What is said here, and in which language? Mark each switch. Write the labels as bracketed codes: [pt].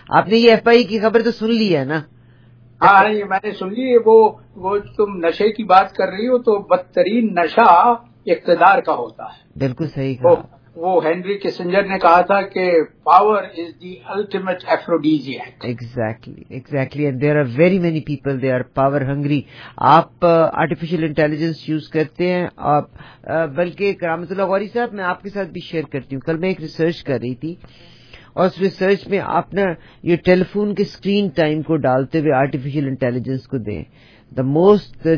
[ur] آپ نے یہ ایف آئی کی خبر تو سن لی ہے نا؟ ہاں یہ میں نے سن لی ہے. وہ تم نشے کی بات کر رہی ہو تو بدترین نشہ اقتدار کا ہوتا ہے. بالکل صحیح. وہ ہینری کسنجر نے کہا تھا کہ [en] Power is the ultimate aphrodisiac. Exactly. And there are very many people they are power hungry. [ur] آپ آرٹیفیشل انٹیلیجنس یوز کرتے ہیں آپ؟ بلکہ کرامت اللہ غوری صاحب میں آپ کے ساتھ بھی شیئر کرتی ہوں. کل میں ایک ریسرچ کر رہی تھی اور اس ریسرچ میں آپ نے یہ ٹیلی فون کے اسکرین ٹائم کو ڈالتے ہوئے آرٹیفیشل انٹیلیجنس کو دیں دا موسٹ.